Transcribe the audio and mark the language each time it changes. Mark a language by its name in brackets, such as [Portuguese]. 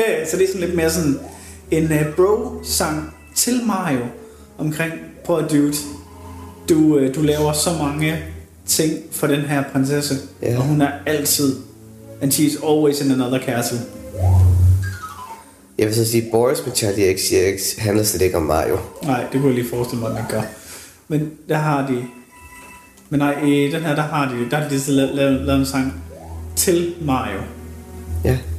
[Danish] Så det er sådan lidt mere sådan en bro-sang til Mario omkring, prøv at dude, du laver så mange ting for den her prinsesse. [English] Yeah. [Danish] Og hun er altid, [English] and she's always in another castle. [Danish] Jeg vil så sige, Boris med Charlie XCX handler slet ikke om Mario. Nej, det kunne jeg lige forestille mig, at man gør. Men der har de... Men nej, i den her, der har de så lavet en sang til Mario. Ja.